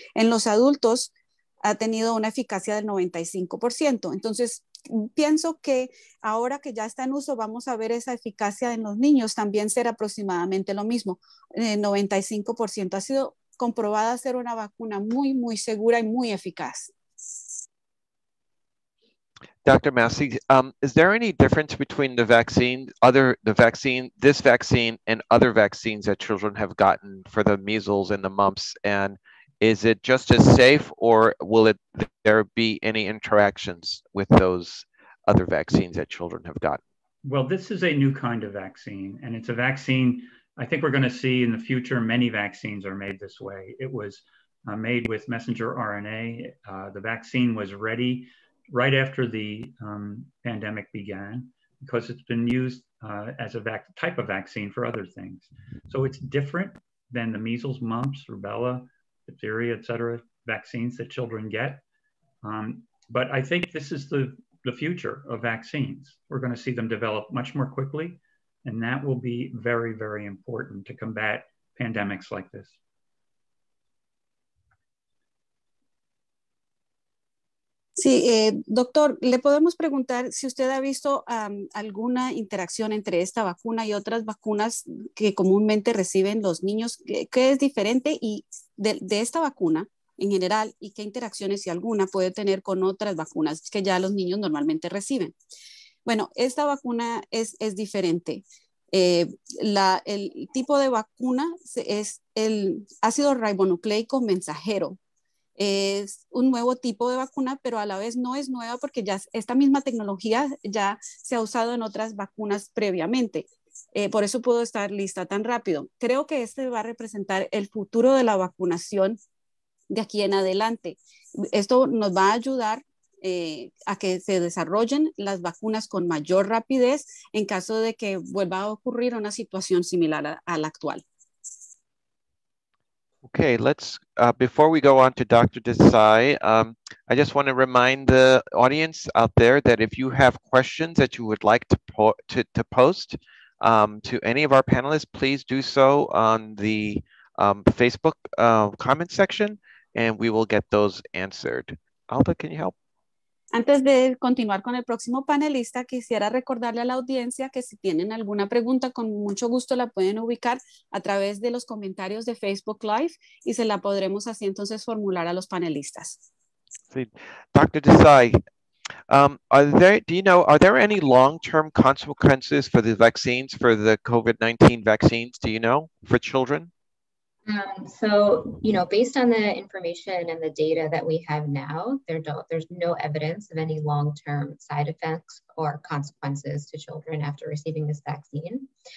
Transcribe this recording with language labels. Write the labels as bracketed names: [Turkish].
[Spanish] En los adultos, ha tenido una eficacia del 95%. Entonces, pienso que ahora que ya está en uso, vamos a ver esa eficacia en los niños también ser aproximadamente lo mismo. 95% ha sido comprobada ser una vacuna muy, muy segura y muy eficaz. [English] Dr. Massey, is there any difference between this vaccine and other vaccines that children have gotten for the measles and the mumps? And is it just as safe or will it there be any interactions with those other vaccines that children have gotten? Well, this is a new kind of vaccine, and it's a vaccine I think we're going to see in the future. Many vaccines are made this way. It was made with messenger RNA. The vaccine was ready right after the pandemic began because it's been used as a type of vaccine for other things. So it's different than the measles, mumps, rubella, diphtheria, et cetera, vaccines that children get. But I think this is the future of vaccines. We're going to see them develop much more quickly. And that will be very, very important to combat pandemics like this. [Spanish] Sí, doctor, le podemos preguntar si usted ha visto alguna interacción entre esta vacuna y otras vacunas que comúnmente reciben los niños. ¿Qué es diferente y de esta vacuna en general y qué interacciones, si alguna, puede tener con otras vacunas que ya los niños normalmente reciben? Bueno, esta vacuna es diferente. El tipo de vacuna es el ácido ribonucleico mensajero. Es un nuevo tipo de vacuna, pero a la vez no es nueva porque ya esta misma tecnología ya se ha usado en otras vacunas previamente. Por eso pudo estar lista tan rápido. Creo que este va a representar el futuro de la vacunación de aquí en adelante. Esto nos va a ayudar a que se desarrollen las vacunas con mayor rapidez en caso de que vuelva a ocurrir una situación similar a la actual. [English] Okay, before we go on to Dr. Desai, I just want to remind the audience out there that if you have questions that you would like to post to any of our panelists, please do so on the Facebook comment section and we will get those answered. Alta, can you help? [Spanish] Antes de continuar con el próximo panelista, quisiera recordarle a la audiencia que si tienen alguna pregunta, con mucho gusto la pueden ubicar a través de los comentarios de Facebook Live y se la podremos así entonces formular a los panelistas. Sí. Dr. [English] Desai, are there any long-term consequences for the vaccines, for the COVID-19 vaccines, do you know, for children? So, you know, based on the information and the data that we have now, there's no evidence of any long-term side effects or consequences to children after receiving this vaccine.